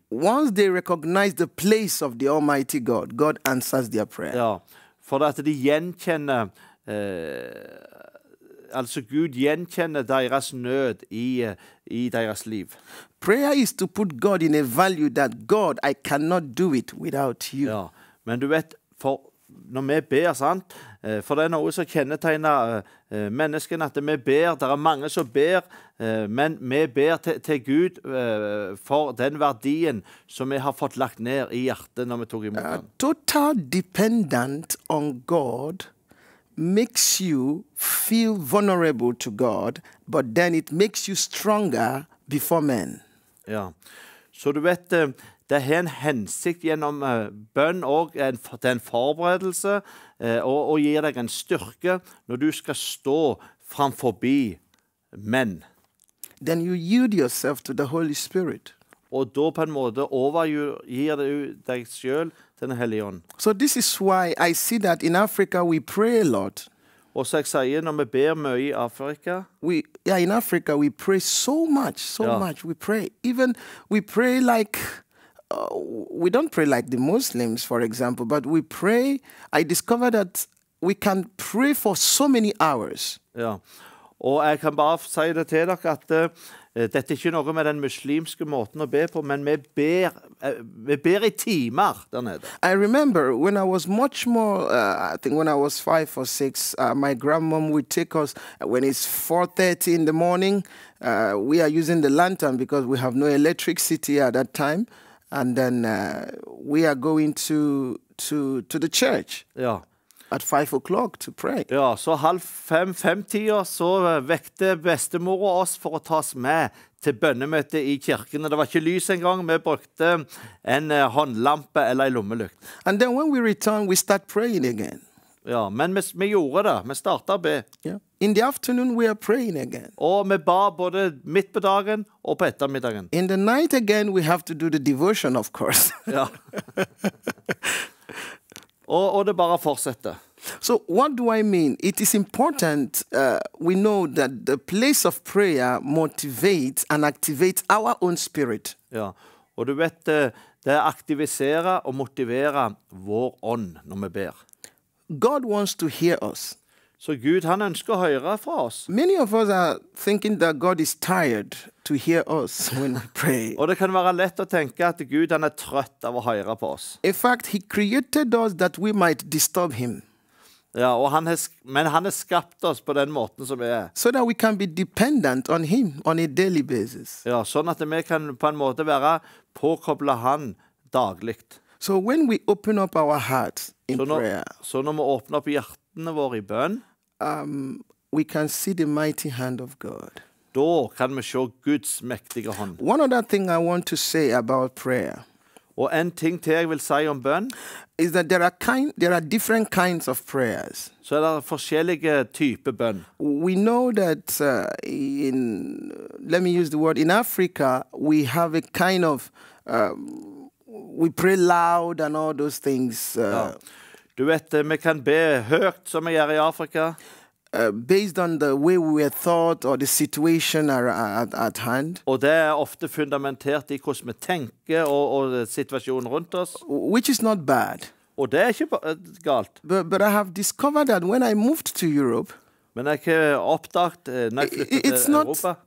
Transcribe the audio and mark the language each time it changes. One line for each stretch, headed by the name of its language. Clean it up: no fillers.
English: Once they recognize the place of the Almighty God, God answers their prayer.
Norwegian: Ja, for at de gjenkjenner, altså Gud gjenkjenner deres nød I deres liv.
English: Prayer is to put God in a value that God, I cannot do it without you.
Norwegian: Ja, men du vet, for når vi ber, sant? For det noe som kjennetegner menneskene, at vi ber, det mange som ber, men vi ber til Gud for den verdien som vi har fått lagt ned I hjertet når vi tok imot den.
English: Total dependent on God makes you feel vulnerable to God, but then it makes you stronger before men.
Norwegian: Ja, så du vet det en hensikt gjennom bønn og en forberedelse og gir deg en styrke når du skal stå fram forbi menn.
English: Then you yield yourself to the Holy Spirit.
Norwegian: Og da på en måte overgir du deg selv til den hellige ånd.
English: So this is why I see that in Africa we pray a lot.
Norwegian: Og så jeg sier, når vi ber mye I Afrika.
English: In Africa we pray so much. We pray. Even we pray like... We don't pray like the Muslims, for example, but we pray. I discovered that we can pray for so many hours.
Norwegian: Ja, og jeg kan bare si det til dere at dette ikke noe med den muslimske måten å be på, men vi ber I timer der nede.
English: I remember when I was much more, I think when I was 5 or 6, my grandmom would take us when it's 4:30 in the morning. We are using the lantern because we have no electricity at that time. And then we are going to the church.
Norwegian: Ja.
English: At 5 o'clock to pray.
Norwegian: Ja, så 4:30 så vekte bestemor og oss for å ta oss med til bønnemøte I kirken. Det var ikke lys engang. Vi brukte en håndlampe eller en lommelykt.
English: And then when we return, we start praying again.
Norwegian: Ja, men vi gjorde det. Vi startet å be.
English: Yeah. In the afternoon, we are praying again.
Norwegian: Og vi bar både midt på dagen og på ettermiddagen.
English: In the night again, we have to do the devotion, of course.
Norwegian: Ja. Og det bare fortsetter. So what do I mean?
English: It is important we know that the place of prayer motivates and activates our own spirit.
Norwegian: Ja, og du vet, Det er aktivisere og motivere vår ånd når vi ber.
English: God wants to hear us.
Norwegian: Så Gud, han ønsker å høre fra oss.
English: Many of us are thinking that God is tired to hear us when we pray.
Norwegian: Og det kan være lett å tenke at Gud, han er trøtt av å høre på oss.
English: In fact, he created us that we might disturb him.
Norwegian: Ja, og han har, men han har skapt oss på den måten som vi er.
English: So that we can be dependent on him on a daily basis.
Norwegian: Ja, sånn at vi kan på en måte være påkoblet han dagligt.
English: So when we open up our hearts in prayer.
Norwegian: Så når vi åpner opp hjertet,
English: We can see the mighty hand of God.
Norwegian: Da kan vi se Guds mektige hånd.
English: One other thing I want to say about prayer.
Norwegian: Og en ting til jeg vil si om bønn.
English: Is that there are different kinds of prayers.
Norwegian: Så det forskjellige typer bønn.
English: We know that in Africa, we have a kind of, we pray loud and all those things.
Norwegian: Du vet, vi kan be høyt som vi gjør i Afrika.
English: Based on the way we were thought or the situation at hand.
Norwegian: Og det er ofte fundamentert i hvordan vi tenker og situasjonen rundt oss.
English: Which is not bad.
Norwegian: Og det er ikke galt.
English: But I have discovered that when I moved to Europe.
Norwegian: Men jeg har oppdaget når jeg flyttet til Europa.